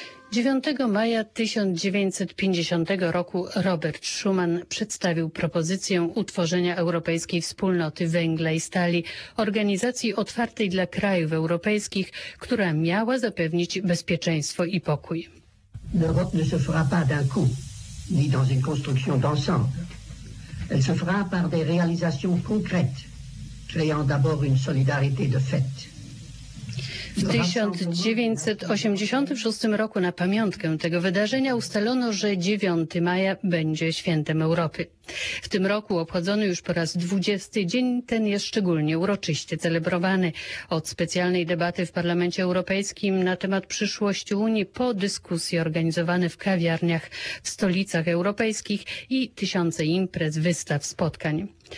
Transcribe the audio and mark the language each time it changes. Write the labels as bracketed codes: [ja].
[pl] 9 maja 1950 roku Robert Schuman przedstawił propozycję utworzenia Europejskiej Wspólnoty Węgla i Stali, organizacji otwartej dla krajów europejskich, która miała zapewnić bezpieczeństwo i pokój. [fr] L'Europe ne se fera pas d'un coup, ni dans une construction d'ensemble. Elle se fera par des réalisations concrètes, créant d'abord une solidarité de fait. [pl] W 1986 roku na pamiątkę tego wydarzenia ustalono, że 9 maja będzie Świętem Europy. W tym roku, obchodzony już po raz 20, dzień ten jest szczególnie uroczyście celebrowany. Od specjalnej debaty w Parlamencie Europejskim na temat przyszłości Unii po dyskusje organizowane w kawiarniach w stolicach europejskich i tysiące imprez, wystaw, spotkań.